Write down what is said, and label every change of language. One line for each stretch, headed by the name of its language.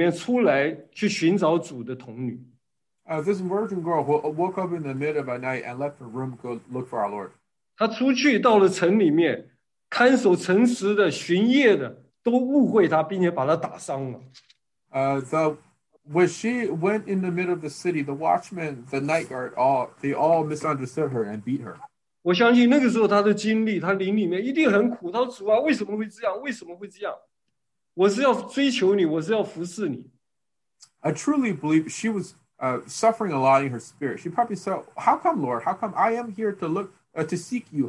Chinese: 这一个夜间从他安息的床上屋子里面出来去寻找主的童女,
English: this virgin girl who woke up in the middle of the night and left her room to go look for our Lord.
Chinese: 他出去到了城里面，看守城池的巡夜的都误会他，并且把他打伤了。
English: When she went in the middle of the city, the watchmen, the night guard, they all misunderstood her and beat her.
Chinese: 我相信那个时候她的经历，她灵里面一定很苦。她说：“主啊，为什么会这样？为什么会这样？我是要追求你，我是要服侍你。”
English: I truly believe she was suffering a lot in her spirit. She probably said, "How come, Lord? How come I am here to look to seek you?